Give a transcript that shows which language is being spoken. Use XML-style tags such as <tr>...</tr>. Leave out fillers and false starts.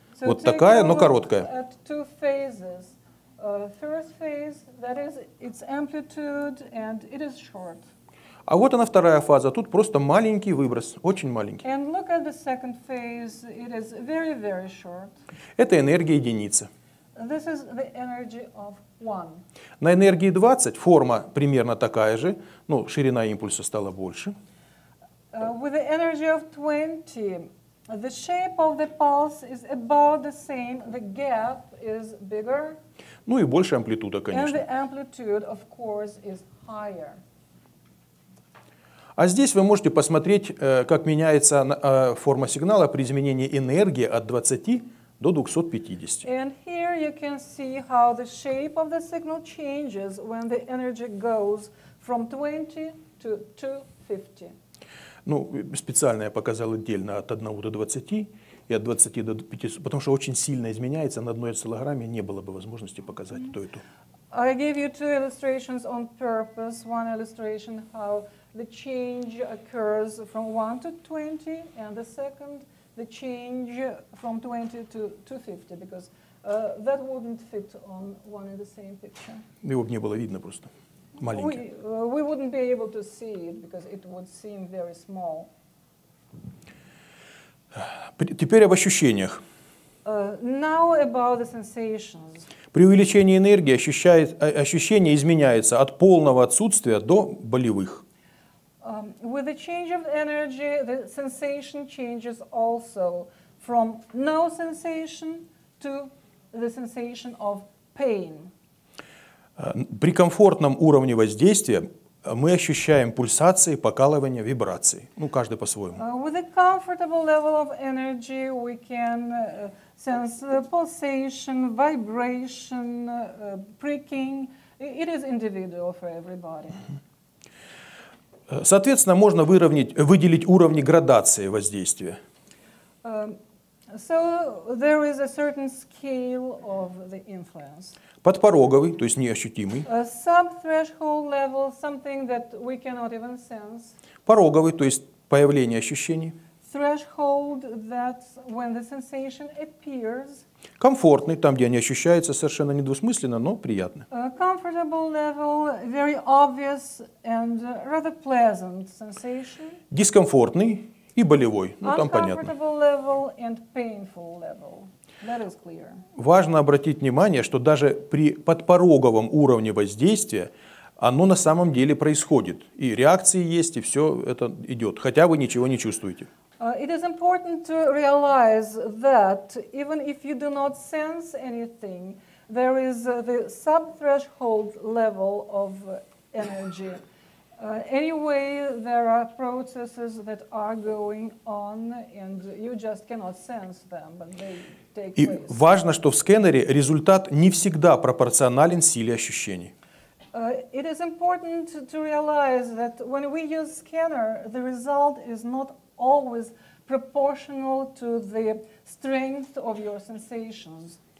<en>So</en> <ru>вот такая, но короткая.</ru> <en>At two phases. First phase, that is its amplitude, and it is short.</en> <ru>А вот она, вторая фаза. Тут просто маленький выброс, очень маленький.</ru> <en>And look at the second phase, it is very, very short.</en> <ru>Это энергия единицы.</ru> <en>This is the energy of one.</en> <ru>На энергии 20 форма примерно такая же, ну, ширина импульса стала больше.</ru> <en>With the energy of 20, the shape of the pulse is about the same, the gap is bigger.</en> <ru>Ну и больше амплитуда, конечно.</ru> <en>And the amplitude, of course, is higher.</en> <ru>А здесь вы можете посмотреть, как меняется форма сигнала при изменении энергии от 20 до 250.</ru> <en>And here you can see how the shape of the signal changes when the energy goes from 20 to 250.</en> <ru>Ну, специально я показал отдельно от 1 до 20. и от 20 до 50, потому что очень сильно изменяется, на 1 cm не было бы возможности показать то и то.</ru> <en>I gave you 2 illustrations on purpose. One illustration how the change occurs from 1 to 20, and the second the change from 20 to 250, because that wouldn't fit on one and the same picture.</en> <ru>Его бы не было видно просто. Маленький.</ru> <en>We wouldn't be able to see it because it would seem very small.</en> <ru>Теперь об ощущениях.</ru> <en>Now about the sensations.</en> <ru>При увеличении энергии ощущение изменяется от полного отсутствия до болевых.</ru> <en>With the change of energy, the sensation changes also from no sensation to the sensation of pain.</en> <ru>При комфортном уровне воздействия мы ощущаем пульсации, покалывания, вибрации. Ну, каждый по-своему.</ru> <en>With a comfortable level of energy, we can sense the pulsation, vibration, pricking. It is individual for everybody.</en> <ru>Соответственно, можно выделить уровни градации воздействия.</ru> <en>So there is a certain scale of the influence.</en> <ru>Подпороговый, то есть неощутимый.</ru> <en>A sub-threshold level, something that we cannot even sense.</en> <ru>Пороговый, то есть появление ощущений.</ru> <en>Threshold, that's when the sensation appears.</en> <ru>Комфортный, там, где они ощущаются совершенно недвусмысленно, но приятно.</ru> <en>Comfortable level, very obvious and rather pleasant sensation.</en> <ru>Дискомфортный и болевой, ну там понятно.</ru> <en>Uncomfortable level and painful level. That is clear.</en> <ru>Важно обратить внимание, что даже при подпороговом уровне воздействия оно на самом деле происходит. И реакции есть, и все это идет, хотя вы ничего не чувствуете.</ru> <en>It is important to realize that even if you do not sense anything, there is the sub-threshold level of energy. Anyway, there are processes that are going on, and you just cannot sense them, but they take place.</en> <ru>И важно, что в сканере результат не всегда пропорционален силе ощущений.</ru> <en>It is important to realize that when we use scanner, the result is not always proportional to the strength of your sensations.</en>